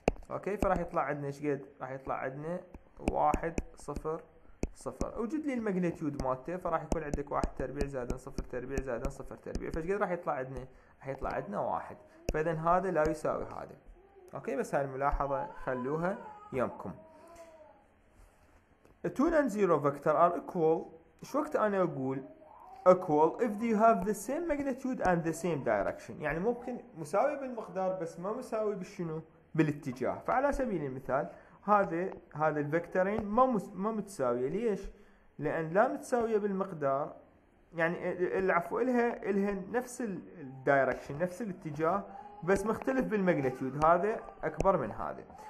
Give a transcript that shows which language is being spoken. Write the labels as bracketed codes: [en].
[ar] اوكي فراح يطلع عندنا ايش قد؟ راح يطلع عندنا 1 0 0. اوجد لي الماجنتيود مالته، فراح يكون عندك 1 تربيع زائد 0 تربيع زائد 0 تربيع، فايش قد راح يطلع عندنا؟ راح يطلع عندنا 1. فاذا هذا لا يساوي هذا. اوكي بس هاي الملاحظه خلوها يمكم. [en] 2 and 0 vector are equal، [ar] شو وقت انا اقول [en] equal if you have the same magnitude and the same direction، [ar] يعني ممكن مساوي بالمقدار بس ما مساوي بالشنو؟ بالاتجاه. فعلى سبيل المثال هذا الفكتورين ما متساويه، ليش؟ لان لا متساويه بالمقدار، يعني العفو الها نفس الدايركشن نفس الاتجاه بس مختلف بالماجنتيود، هذا اكبر من هذا.